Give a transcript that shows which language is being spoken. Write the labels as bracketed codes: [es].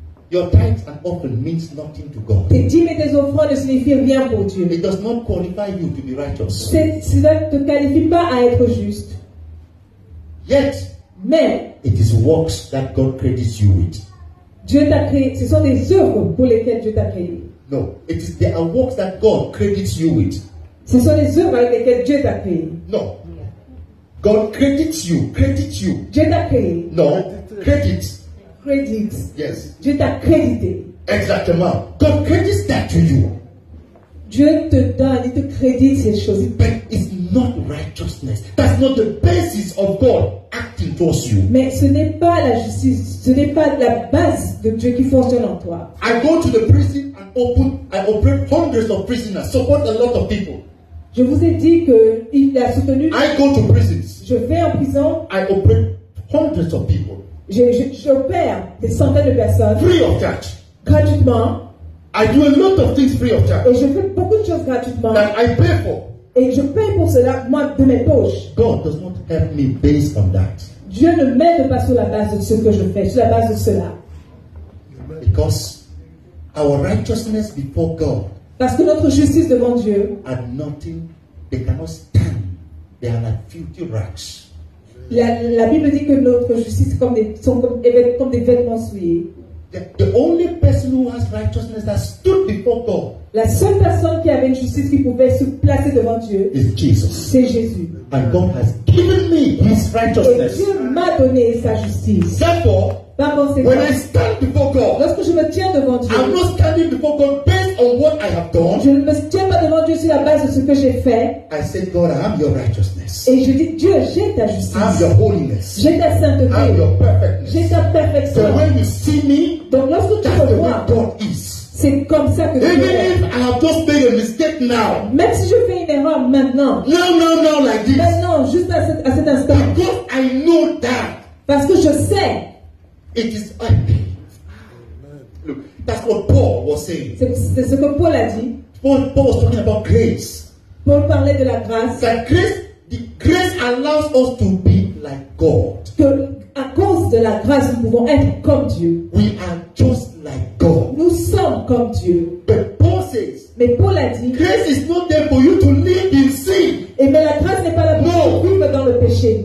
[en] Your tithes and offering means nothing to God. [fr] Tes dîmes et tes offrandes ne signifient rien pour Dieu. [en] It does not qualify you to be righteous. [fr] Cela ne te qualifie pas à être juste. [en] Yet, [fr] mais, [en] it is works that God credits you with. [fr] Dieu t'a créé. Ce sont des œuvres pour lesquelles Dieu t'a créé. [en] No, it is there are works that God credits you with. [fr] Ce sont des œuvres avec lesquelles Dieu t'a créé. [en] No, God credits you. [fr] Dieu t'a créé. [en] No, credits. Credits. Yes. [fr] Dieu t'a crédité. Exactement. [en] God credits that to you. [fr] Dieu te donne, il te crédite ces choses. [en] But it's not righteousness. That's not the basis of God acting towards you. [fr] Mais ce n'est pas la justice, ce n'est pas la base de Dieu qui fonctionne en toi. [en] I go to the prison and I operate hundreds of prisoners, support a lot of people. [fr] Je vous ai dit que il a soutenu. [en] I go to prisons. [fr] Je vais en prison. [en] I operate hundreds of people. [fr] J'opère des centaines de personnes. [en] Free of charge. [fr] Gratuitement. [en] I do a lot of things free of charge. [fr] Et je fais beaucoup de choses gratuitement. [en] That I pay for. [fr] Et je paye pour cela moi de mes poches. [en] God does not help me based on that. [fr] Dieu ne m'aide pas sur la base de ce que je fais, sur la base de cela. [en] Because our righteousness before God. [fr] Parce que notre justice devant Dieu. [en] Are nothing. They cannot stand. They are like filthy rags. [fr] La Bible dit que notre justice sont comme des vêtements souillés. [en] The only person who has righteousness that stood before God. [fr] La seule personne qui avait une justice qui pouvait se placer devant Dieu. [en] Is Jesus. [fr] C'est Jésus. [en] And God has given me His righteousness. [fr] Et Dieu m'a donné sa justice. [en] Therefore, [fr] par conséquent, [en] when I stand before God, [fr] lorsque je me tiens devant Dieu, [en] I'm not standing before God based on what I have done. [fr] Je ne me tiens pas devant Dieu sur la base de ce que j'ai fait. [en] I said, God, I have your righteousness. [fr] Et je dis, Dieu, j'ai ta justice. [en] I have your holiness. [fr] J'ai ta sainteté. [en] I have your perfectness. [fr] J'ai ta perfection. [en] So when you see me, [fr] donc lorsque tu me vois, [en] God is. [fr] C'est comme ça que Dieu est. [en] Even if I have just made a mistake now, [fr] même si je fais une erreur maintenant, [en] no, like this. [fr] Maintenant, juste à cet instant, [en] because I know that. [fr] Parce que je sais. [en] It is unpaid. Look, that's what Paul was saying. [fr] C'est ce que Paul a dit. [en] Paul was talking about grace. [fr] Paul parlait de la grâce. [en] That grace allows us to be like God. [fr] Que à cause de la grâce, nous pouvons être comme Dieu. [en] We are just like God. [fr] Nous sommes comme Dieu. [en] But Paul says. [fr] Mais Paul a dit. [en] Grace is not there for you to live in sin. [fr] Et mais la grâce n'est pas là pour vivre dans le péché.